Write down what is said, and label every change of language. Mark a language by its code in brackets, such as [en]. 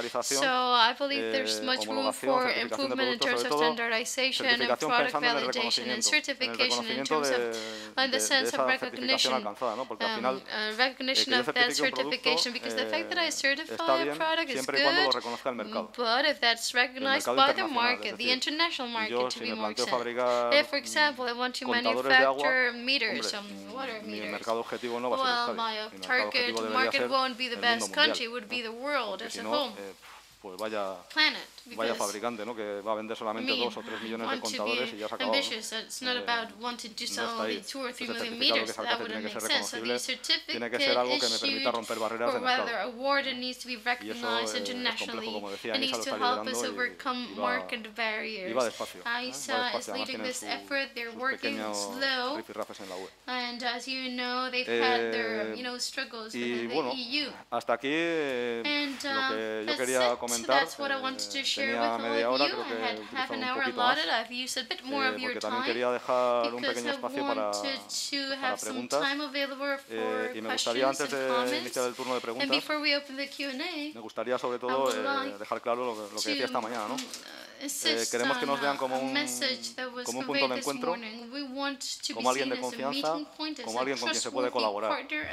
[en] So I believe there's much room for improvement in terms of standardization and product validation and certification in terms of, in the sense of recognition of that certification, because the fact that I certify a product is good, but if that's recognized by the market, the international market to be more exact. If, for example, I want to manufacture meters, water meters, well, my target market won't be the best country, it would be the world as a whole. [es] Pues vaya, vaya fabricante, ¿no? Que va a vender solamente 2 o 3 millones de contadores y ya se acabó. [en] Ambitious. It's not about wanting to sell only 2 or 3 million meters. That wouldn't make sense. So the certificate [es] tiene que ser algo que me permita romper barreras de mercado. [en] Or rather, award that needs to be recognized internationally. It needs to help us overcome market barriers. [es] Iba despacio. [en] ISA is leading this effort. They're working slow. And as you know, they've had their, you know, struggles within the EU. [es] Hasta aquí lo que yo quería. [en] So that's what I wanted to share with all of you. I had half an hour allotted. I've used a bit more of your time because I wanted to have some time available for questions and comments. And before we open the Q&A, [es] me gustaría sobre todo dejar claro lo que decía esta mañana, ¿no? Queremos que nos vean como un punto de encuentro, como alguien de confianza, como alguien con quien se puede colaborar.